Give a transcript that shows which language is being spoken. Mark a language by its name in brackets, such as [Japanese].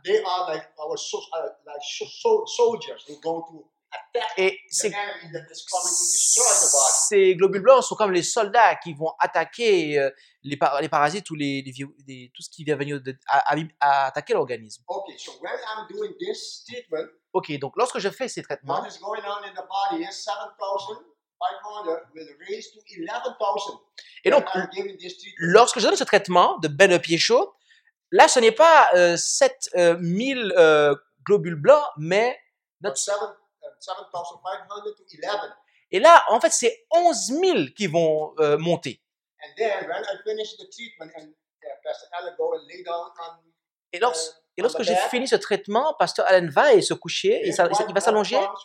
[English] They are like our soldiers who go to attack the enemy that is coming to destroy the body. [French] Ces globules blancs sont comme les soldats qui vont attaquer les parasites ou les tout ce qui vient venir à attaquer l'organisme. [English] Okay, so when I'm doing this treatment, [French] okay, donc lorsque je fais ces traitements, [English] what is going on in the body is 7,500 will raise to 11,000. [French] Et donc, lorsque je donne ce traitement de bain de pied chaud, là, ce n'est pas 7000 globules blancs, mais notre [English] 7,500 to 11. [French] Et là, en fait, c'est 11,000 qui vont monter. [English] And then, when I finish the treatment and Pastor Allen go and lay down on, [French] et lorsque j'ai fini ce traitement, Pastor Allen va et se coucher, il va s'allonger.